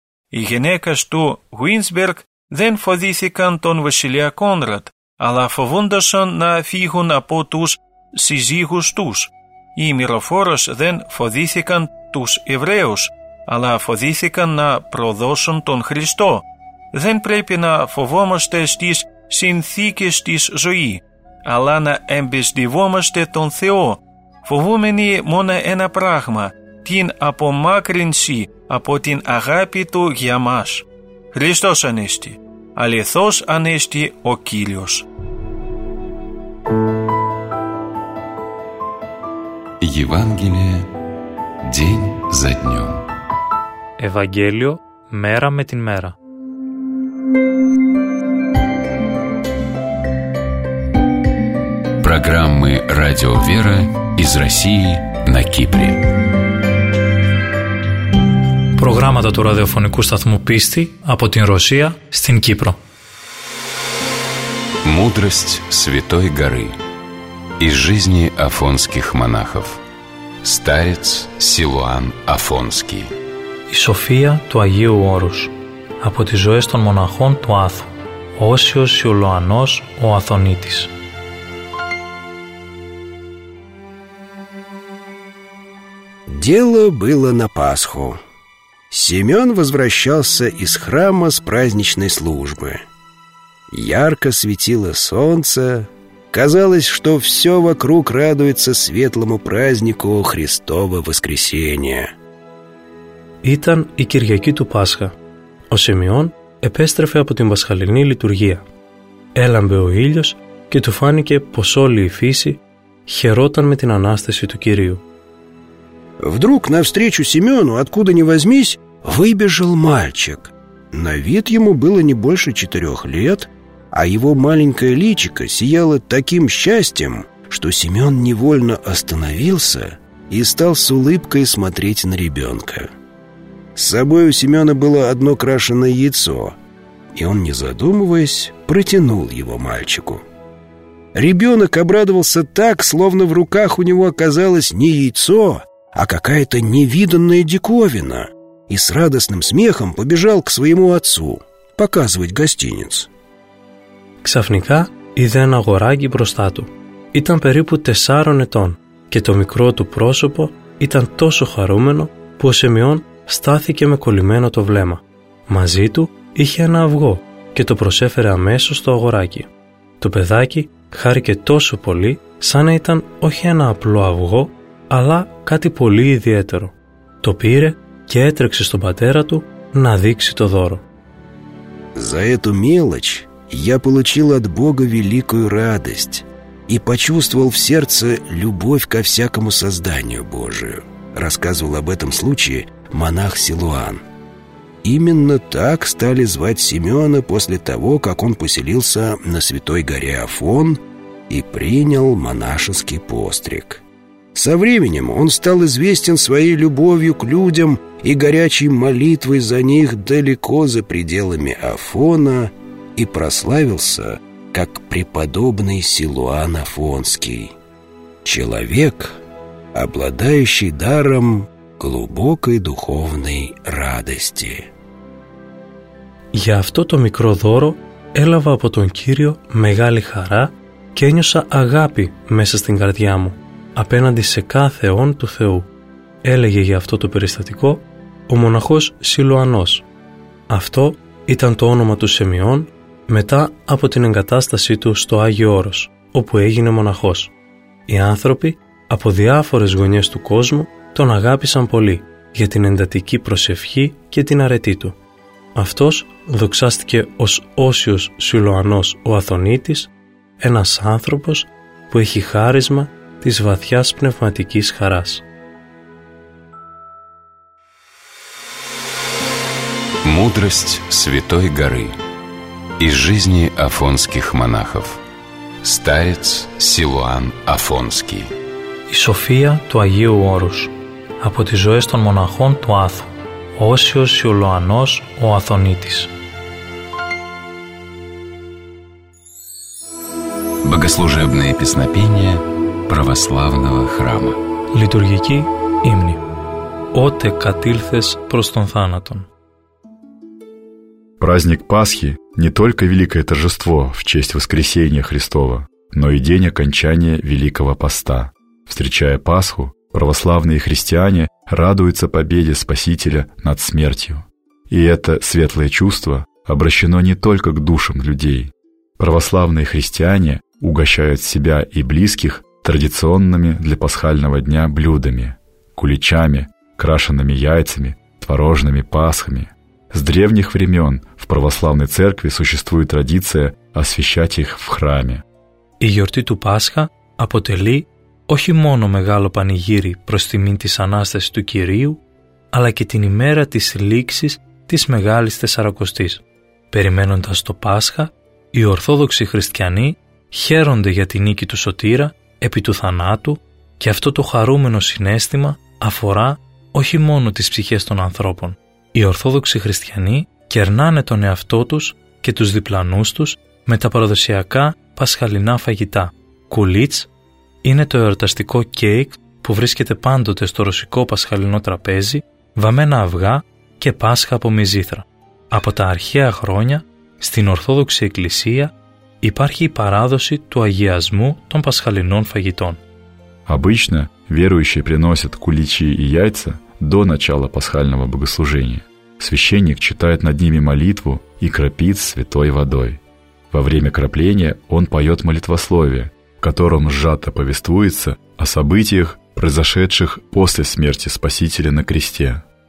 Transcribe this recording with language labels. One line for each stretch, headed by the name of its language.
Greek: И генека шту Гуинсберг дэн фодисикан тон Василия Конрад, ала фовундашон на фигун апо тус сизигус тус, и мирофорос дэн фодисикан тус евреус, ала фодисикан на продосон тон Христо. Δεν πρέπει να φοβόμαστε στις συνθήκες της ζωής, αλλά να εμπιστευόμαστε τον Θεό, φοβούμενοι μόνο ένα πράγμα, την απομάκρυνση από την αγάπη Του για μας. Χριστός Ανέστη, αληθώς Ανέστη ο Κύριος.
Russian: Евангелие день за днем.
Greek: Ευαγγέλιο μέρα με την μέρα.
Russian: Программы «Радио Вера» из России на Кипре.
Greek: Программа του ραδιοφωνικού σταθμού «Πίστη» από την Ρωσία στην Κύπρο.
Russian: Мудрость Святой Горы из жизни афонских монахов. Старец Силуан Афонский.
Greek: Η Σοφία του Αγίου Όρους από τις ζωές των μοναχών του Άθου. Όσιος Σιουλωανός ο Αθωνίτης.
Russian: Дело было на Пасху. Семен возвращался из храма с праздничной службы. Ярко светило солнце. Казалось, что все вокруг радуется светлому празднику Христова воскресения.
Greek: Ήταν η Κυριακή του Πάσχα. Ο Σιμεών επέστρεφε από την Πασχαλινή λειτουργία. Έλαμπε ο ήλιος και του φάνηκε πως όλη η φύση χαιρόταν με την Ανάσταση του Κυρίου.
Russian: Вдруг навстречу Семёну, откуда ни возьмись, выбежал мальчик. На вид ему было не больше 4 лет, а его маленькое личико сияло таким счастьем, что Семён невольно остановился и стал с улыбкой смотреть на ребёнка. С собой у Семёна было одно крашеное яйцо, и он, не задумываясь, протянул его мальчику. Ребёнок обрадовался так, словно в руках у него оказалось не яйцо, а какая-то невиданная диковина, и с радостным смехом побежал к своему отцу показывать гостиниц.
Greek: Ξαφνικά είδε ένα αγοράκι μπροστά του. Ήταν περίπου 4 ετών και το μικρό του πρόσωπο ήταν τόσο χαρούμενο που ο Σιμεών στάθηκε με κολλημένο το βλέμμα. Μαζί του είχε ένα αυγό και το προσέφερε αμέσως στο αγοράκι. Το παιδάκι χάρηκε τόσο πολύ σαν να ήταν όχι ένα απλό αυγό, αλλά κάτι πολύ ιδιαίτερο. Το πήρε και έτρεξε στον πατέρα του να δείξει το δώρο.
Russian: «За эту мелочь я получил от Бога великую радость и почувствовал в сердце любовь ко всякому созданию Божию», рассказывал об этом случае монах Силуан. Именно так стали звать Семёна после того, как он поселился на святой горе Афон и принял монашеский постриг. Со временем он стал известен своей любовью к людям и горячей молитвой за них далеко за пределами Афона и прославился как преподобный Силуан Афонский, человек, обладающий даром глубокой духовной радости.
Greek: Για αυτό το μικρό δώρο έλαβα από τον Κύριο μεγάλη χαρά και ένιωσα αγάπη μέσα στην καρδιά μου απέναντι σε κάθε αιών του Θεού, έλεγε για αυτό το περιστατικό ο μοναχός Σιλουανός. Αυτό ήταν το όνομα του Σιμεών μετά από την εγκατάστασή του στο Άγιο Όρος, όπου έγινε μοναχός. Οι άνθρωποι από διάφορες γωνιές του κόσμου τον αγάπησαν πολύ για την εντατική προσευχή και την αρετή του. Αυτός δοξάστηκε ως Όσιος Σιλουανός ο Αθωνίτης, ένας άνθρωπος που έχει χάρισμα της βαθιάς πνευματικής χαράς.
Russian: Мудрость Святой Горы из жизни афонских монахов. Старец Силуан Афонский.
Greek: Η Σοφία του Αγίου Όρους από τις ζωές των μοναχών του Άθου. Όσιος Σιλουανός ο Αθωνίτης. Богослужебное песнопение православного храма. Λειτουργική ύμνη. Ότε κατήλθες προς τον θάνατον.
Russian: Праздник Пасхи не только великое торжество в честь воскресения Христова, но и день окончания Великого Поста. Встречая Пасху, православные христиане радуются победе Спасителя над смертью. И это светлое чувство обращено не только к душам людей. Православные христиане угощают себя и близких традиционными для пасхального дня блюдами – куличами, крашенными яйцами, творожными пасхами. С древних времен в православной церкви существует традиция освящать их в храме.
Greek: Η γιορτή του Πάσχα αποτελεί όχι μόνο μεγάλο πανηγύρι προς τιμήν της Ανάστασης του Κυρίου, αλλά και την ημέρα της λήξης της Μεγάλης Τεσσαρακοστής. Περιμένοντας το Πάσχα, οι Ορθόδοξοι Χριστιανοί χαίρονται για την νίκη του Σωτήρα επί του θανάτου και αυτό το χαρούμενο συνέστημα αφορά όχι μόνο τις ψυχές των ανθρώπων. Οι Ορθόδοξοι Χριστιανοί κερνάνε τον εαυτό τους και τους διπλανούς τους με τα παραδοσιακά πασχαλινά φαγητά, κουλίτς, είναι το εορταστικό κέικ που βρίσκεται πάντοτε στο ρωσικό πασχαλινό τραπέζι, βαμμένα αυγά και πάσχα από μυζήθρα. Από τα αρχαία χρόνια, στην Ορθόδοξη Εκκλησία υπάρχει η παράδοση του αγιασμού των πασχαλινών φαγητών.
Russian: Обычно верующие приносят куличи и яйца до начала пасхального богослужения. Священник читает над ними молитву и кропит святой водой. Во время кропления он поет молитвословие, в котором сжато повествуется о событиях, произошедших после смерти Спасителя на кресте.